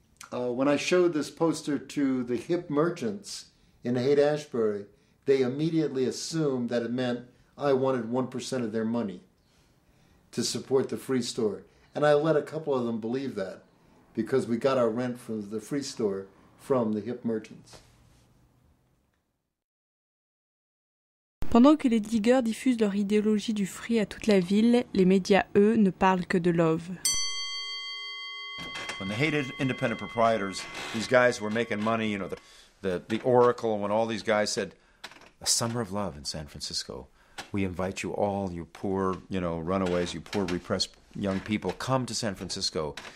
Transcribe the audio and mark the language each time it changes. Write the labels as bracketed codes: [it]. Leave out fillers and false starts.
[en] When I showed this poster to the hip merchants in Haight-Ashbury, they immediately assumed that it meant I wanted 1% of their money to support the free store. And I let a couple of them believe that because we got our rent from the free store from the hip merchants. [fr] Pendant que les diggers diffusent leur idéologie du free à toute la ville, les médias, eux, ne parlent que de love. [en] When they hated independent proprietors, these guys were making money, you know, the Oracle, and when all these guys said, a summer of love in San Francisco, we invite you all, you poor, you know, runaways, you poor repressed young people, come to San Francisco.